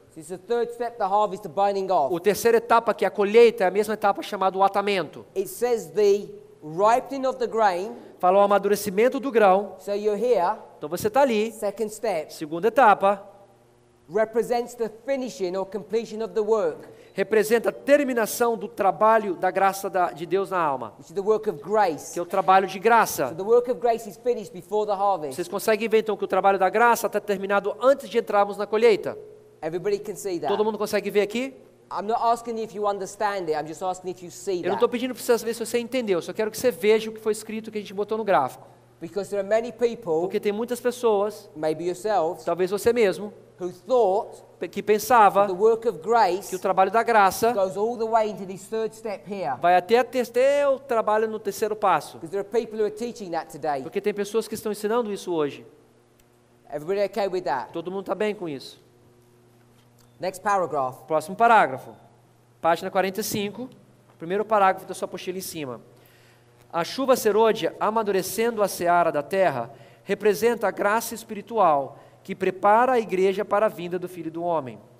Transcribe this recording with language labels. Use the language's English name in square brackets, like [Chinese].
[English] It's the third step, the harvest, the binding off. [Portuguese] O terceiro etapa que é a colheita é a mesma etapa chamada o atamento. [English] It says the ripening of the grain. [Portuguese] Falou o amadurecimento do grão. [English] So you're here. [Portuguese] Então você está ali. [English] Second step. [Portuguese] Segunda etapa. [English] Represents the finishing or completion of the work. [Portuguese] Representa a terminação do trabalho da graça de Deus na alma. [English] Which is the work of grace. [Portuguese] Que é o trabalho de graça. [English] So the work of grace is finished before the harvest. [Portuguese] Vocês conseguem ver então que o trabalho da graça está terminado antes de entrarmos na colheita? [English] Everybody can see that. [Portuguese] Todo mundo consegue ver aqui? [English] I'm not asking if you understand it. I'm just asking if you see that. [Portuguese] Eu não estou pedindo para você ver se você entendeu. Só quero que você veja o que foi escrito que a gente botou no gráfico. [English] Because there are many people. [Portuguese] Porque tem muitas pessoas. [English] Maybe yourselves. [Portuguese] Talvez você mesmo. [English] Who thought? [Portuguese] Que pensava. [English] The work of grace. [Portuguese] Que o trabalho da graça. [English] Goes all the way into this third step here. [Portuguese] Vai até o trabalho no terceiro passo. [English] Because there are people who are teaching that today. [Portuguese] Porque tem pessoas que estão ensinando isso hoje. [English] Everybody okay with that? [Portuguese] Todo mundo está bem com isso? [English] Next paragraph. [Portuguese] Próximo parágrafo. Página 45. Primeiro parágrafo da sua apostila em cima. A chuva serôdia, amadurecendo a seara da terra, representa a graça espiritual que prepara a igreja para a vinda do Filho do Homem.